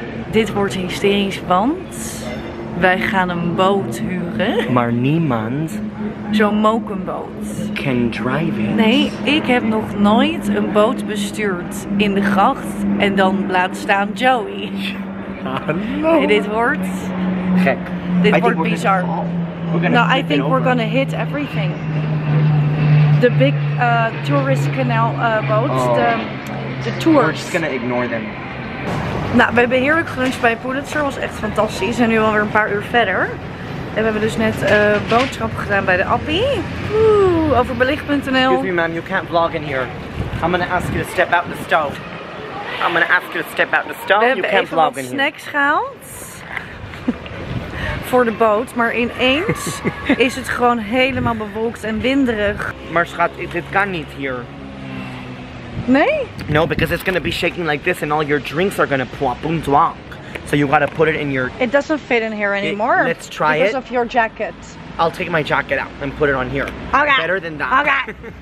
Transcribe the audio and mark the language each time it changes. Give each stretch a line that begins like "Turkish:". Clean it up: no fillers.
Dutch: Dit wordt hysterisch, want wij gaan een boot huren. Maar niemand. Zo'n mokenboot.
English: Can drive it.
Dutch: Nee, ik heb nog nooit een boot bestuurd in de gracht en dan laat staan Joey. Hallo. Nee, dit wordt gek. Dit wordt bizar.
English: Nou, I think we're gonna hit everything. The big tourist canal boats. Oh. The tours. We're just gonna ignore them.
Dutch: Nou, we hebben heerlijk geluncht bij Pulitzer. Was echt fantastisch. En nu alweer een paar uur verder. En we hebben dus net boodschappen gedaan bij de Appie. Oeh, over belicht.nl.
English: Excuse me, ma'am, you can't vlog in here. I'm gonna ask you to step out the stove. I'm gonna ask you to step out the stove.
Dutch: We hebben even wat snacks gehaald. Voor de boot, maar ineens is het gewoon helemaal bewolkt en winderig. Maar schat, dit kan niet hier. Nee?
English: No, because it's gonna be shaking like this and all your drinks are gonna plop, boom, twop. So you gotta put it in your... It doesn't fit in here anymore. Let's try because it. Because of your jacket. I'll take my jacket out and put it on here. Okay. Better than that. Okay.